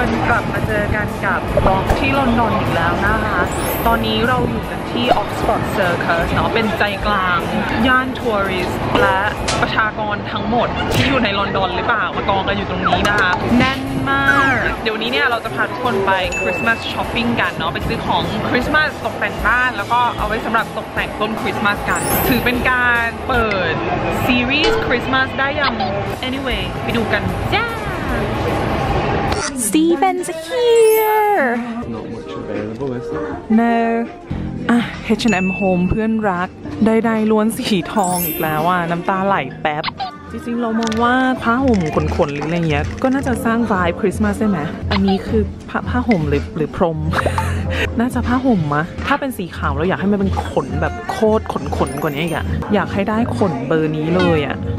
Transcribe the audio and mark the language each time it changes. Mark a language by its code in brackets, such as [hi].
[th] กลับมาเจอกันกับบล็อกที่ลอนดอนอีกแล้วนะคะตอนนี้เราอยู่กันที่ Oxford Circus เนาะเป็นใจกลางย่านทัวริสต์และประชากรทั้งหมดที่อยู่ในลอนดอนหรือเปล่ามากองกันอยู่ตรงนี้นะคะแน่นมากเดี๋ยวนี้เนี่ยเราจะพาทุกคนไปคริสต์มาสช้อปปิ้งกันเนาะไปซื้อของคริสต์มาสตกแต่งบ้านแล้วก็เอาไว้สำหรับตกแต่งต้นคริสต์มาสกันถือเป็นการเปิดซีรีส์คริสต์มาสได้ยัง anyway ไปดูกันจ้า [en] Steven's here. Not much available, is it? No. [th] H&M Home เพื่อนรักได้ๆล้วนสีทองอีกแล้วอ่ะน้ำตาไหลแป๊บจริงๆเรามองว่าผ้าห่มขนๆหรืออะไรเงี้ยก็น่าจะสร้างไวบ์คริสต์มาสใช่ไหมอันนี้คือผ้าห่มหรือพรม น่าจะผ้าห่มมะถ้าเป็นสีขาวเราอยากให้มันเป็นขนแบบโคตรขนๆกว่านี้อ่ะอยากให้ได้ขนเบอร์นี้เลยอ่ะ